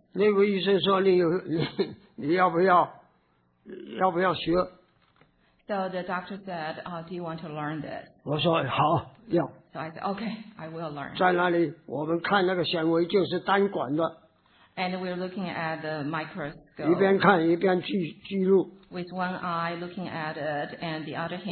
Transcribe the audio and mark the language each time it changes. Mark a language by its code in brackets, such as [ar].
[zh] 那个医生说你要不要学？ [en] So the doctor said, "Do you want to learn this?" [zh] 我说好，要。 [en] So I said, "Okay, I will learn." [zh] 在那里，我们看那个显微镜是单管的。 [en] And we're looking at the microscope. [zh] 一边看一边记录。 [en] With one eye looking at it, and the other hand.